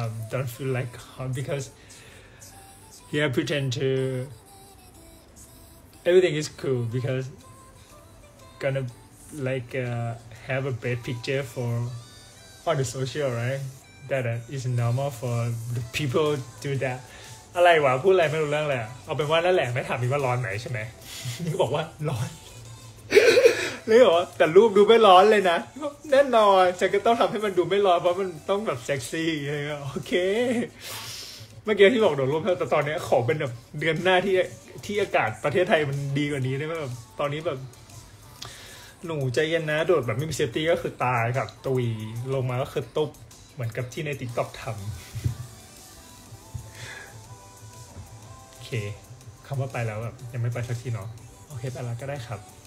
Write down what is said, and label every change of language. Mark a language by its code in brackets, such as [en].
[en] don't feel like hot becauseYeah, pretend to everything is cool because gonna like have a bad picture for on the social, right? That is normal for the people to do that. [th] อะไรวะพูดอะไรไม่รู้เรื่องเลยเอาเป็นว่านั่นแหละไม่ถามมีว่าร้อนไหมใช่ไหมนี่ก็บอกว่าร้อนเลยเหรอแต่รูปดูไม่ร้อนเลยนะแน่นอนฉันก็ต้องทำให้มันดูไม่ร้อนเพราะมันต้องแบบเซ็กซี่โอเค เมื่อกี้ที่บอกโดดร่มแต่ตอนนี้ขอเป็นแบบเดือนหน้าที่อากาศประเทศไทยมันดีกว่านี้ได้ไหมแบบตอนนี้แบบหนูใจเย็นนะโดดแบบไม่มีเซฟตี้ก็คือตายครับตุยลงมาก็คือตุ๊บเหมือนกับที่ในติ๊กต็อกทำโอเคคำว่าไปแล้วแบบยังไม่ไปสักทีเนาะโอเคไปแล้วก็ได้ครับ